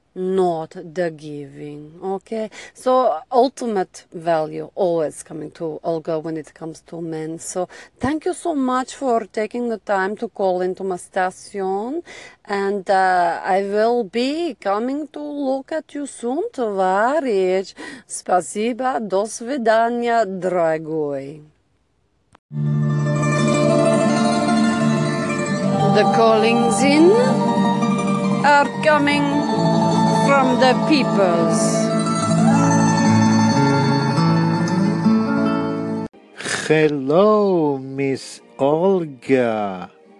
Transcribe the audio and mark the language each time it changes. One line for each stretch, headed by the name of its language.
English: not the giving, okay? So ultimate value always coming to Olga when it comes to men. So thank you so much for taking the time to call into my station. And I will be coming to look at you soon, товарищ.
Russian: Спасибо, до свидания, дорогой.
English: The callings in are coming from the peoples. Hello, Miss Olga.